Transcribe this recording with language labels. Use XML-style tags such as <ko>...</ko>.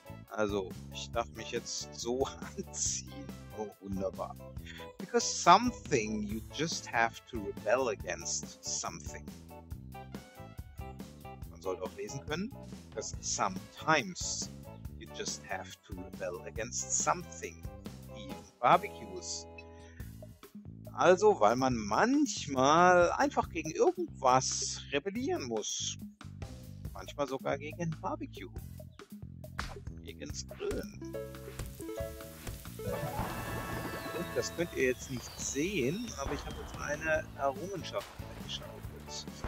<de>Also, ich darf mich jetzt so anziehen. Oh, wunderbar.</de> <en>Because something you just have to rebel against something.</en> <de>Man sollte auch lesen können.</de> <en>Because sometimes you just have to rebel against something. Even barbecues.</en> <de>Also, weil man manchmal einfach gegen irgendwas rebellieren muss. Manchmal sogar gegen Barbecue. Gegen Grillen. Das könnt ihr jetzt nicht sehen, aber ich habe jetzt eine Errungenschaft eingeschaltet.</de>